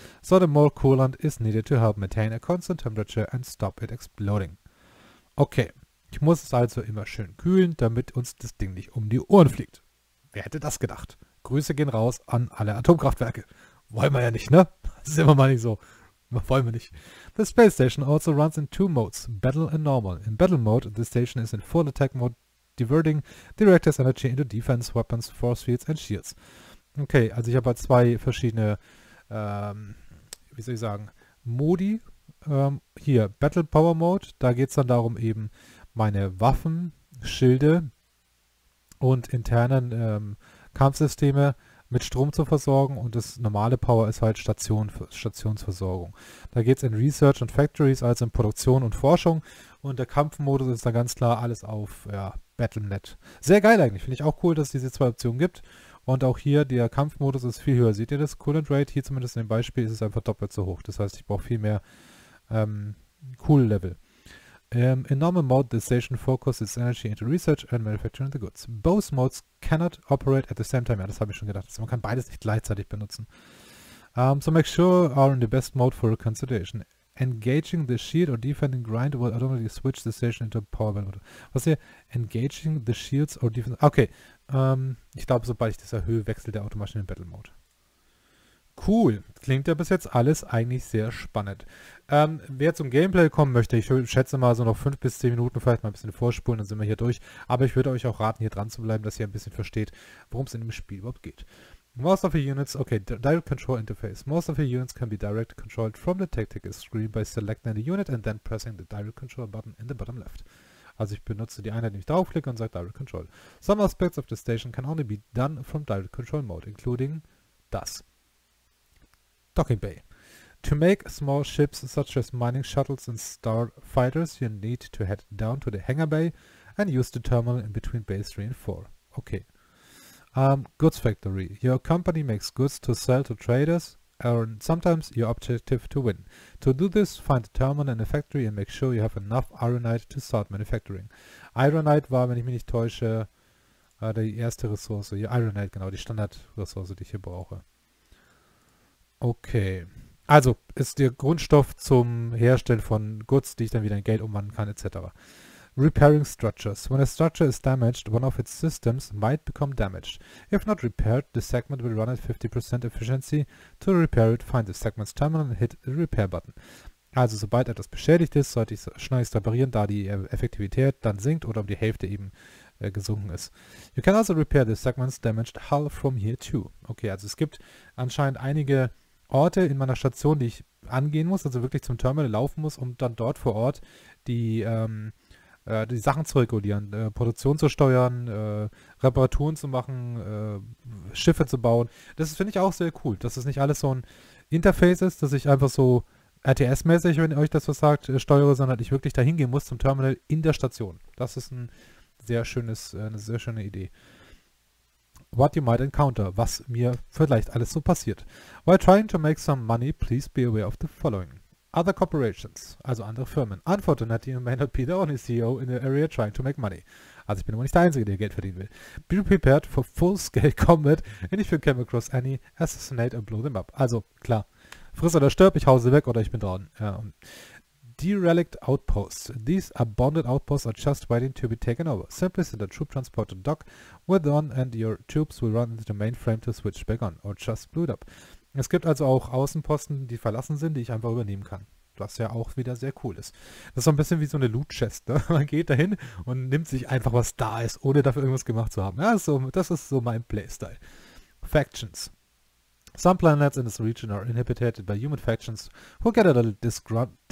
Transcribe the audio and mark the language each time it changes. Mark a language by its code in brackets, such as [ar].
[en] So the more coolant is needed to help maintain a constant temperature and stop it exploding. [de] Okay, ich muss es also immer schön kühlen, damit uns das Ding nicht um die Ohren fliegt. Wer hätte das gedacht? Grüße gehen raus an alle Atomkraftwerke. Wollen wir ja nicht, ne? Das ist immer mal nicht so. Wollen wir nicht. [en] The space station also runs in two modes, battle and normal. In battle mode, the station is in full attack mode, diverting the reactor's energy into defense weapons, force fields and shields. [de] Okay, also ich habe halt zwei verschiedene, wie soll ich sagen, Modi. Hier, battle power mode, da geht es dann darum, eben meine Waffen, Schilde und internen Kampfsysteme mit Strom zu versorgen, und das normale Power ist halt Stationsversorgung. Da geht es in Research und Factories, also in Produktion und Forschung, und der Kampfmodus ist da ganz klar alles auf ja, Battle.net. Sehr geil eigentlich, finde ich auch cool, dass es diese zwei Optionen gibt, und auch hier der Kampfmodus ist viel höher. Seht ihr das? Coolant Rate, hier zumindest in dem Beispiel, ist es einfach doppelt so hoch. Das heißt, ich brauche viel mehr Cool Level. [en] In normal mode, the station focuses its energy into research and manufacturing the goods. Both modes cannot operate at the same time. [de] Ja, das habe ich schon gedacht. Man kann beides nicht gleichzeitig benutzen. [en] So make sure are in the best mode for consideration. Engaging the shield or defending grind will automatically switch the station into power mode. [de] Was hier? [en] Engaging the shields or defending... [de] Okay, ich glaube, sobald ich das erhöhe, wechselt der automatisch in den Battle Mode. Cool, klingt ja bis jetzt alles eigentlich sehr spannend. Wer zum Gameplay kommen möchte, ich schätze mal so noch 5 bis 10 Minuten vielleicht mal ein bisschen vorspulen, dann sind wir hier durch. Aber ich würde euch auch raten, hier dran zu bleiben, dass ihr ein bisschen versteht, worum es in dem Spiel überhaupt geht. [en] Most of the units, okay, direct control interface. Most of the units can be direct controlled from the tactical screen by selecting the unit and then pressing the direct control button in the bottom left. [de] Also ich benutze die Einheit, die ich draufklicke und sage direct control. [en] Some aspects of the station can only be done from direct control mode, including das. Docking Bay. To make small ships such as mining shuttles and starfighters, you need to head down to the hangar bay and use the terminal in between bays 3 and 4. Okay. Goods Factory. Your company makes goods to sell to traders and sometimes your objective to win. To do this, find a terminal in a factory and make sure you have enough ironite to start manufacturing. [de] Ironite war, wenn ich mich nicht täusche, die erste Ressource. Ja, ironite, genau, die Standardressource, die ich hier brauche. Okay, also ist der Grundstoff zum Herstellen von Goods, die ich dann wieder in Geld umwandeln kann, etc. [en] Repairing Structures. When a structure is damaged, one of its systems might become damaged. If not repaired, the segment will run at 50% efficiency. To repair it, find the segment's terminal and hit the repair button. [de] Also sobald etwas beschädigt ist, sollte ich es schnellst reparieren, da die Effektivität dann sinkt oder um die Hälfte eben gesunken ist. [en] You can also repair the segment's damaged hull from here too. [de] Okay, also es gibt anscheinend einige Orte in meiner Station, die ich angehen muss, also wirklich zum Terminal laufen muss, um dann dort vor Ort die die Sachen zu regulieren, Produktion zu steuern, Reparaturen zu machen, Schiffe zu bauen. Das finde ich auch sehr cool, dass es nicht alles so ein Interface ist, dass ich einfach so RTS-mäßig, wenn ihr euch das so sagt, steuere, sondern ich wirklich dahin gehen muss zum Terminal in der Station. Das ist ein sehr schönes, eine sehr schöne Idee. [en] What you might encounter, [de] was mir vielleicht alles so passiert. [en] While trying to make some money, please be aware of the following. Other corporations, [de] also andere Firmen. [en] Unfortunately, you may not be the only CEO in the area trying to make money. [de] Also ich bin aber nicht der Einzige, der Geld verdienen will. [en] Be prepared for full-scale combat, and if you come across any, assassinate and blow them up. [de] Also klar, friss oder stirb, ich hau sie weg oder ich bin dran. [en] Derelict Outposts. These abandoned outposts are just waiting to be taken over. Simply send a troop transport to dock with on and your troops will run into the mainframe to switch back on or just blew it up. [de] Es gibt also auch Außenposten, die verlassen sind, die ich einfach übernehmen kann. Was ja auch wieder sehr cool ist. Das ist so ein bisschen wie so eine Loot-Chest. Ne? Man geht dahin und nimmt sich einfach, was da ist, ohne dafür irgendwas gemacht zu haben. Ja, so, das ist so mein Playstyle. Factions. [en] Some planets in this region are inhabited by human factions who get a little disgruntled.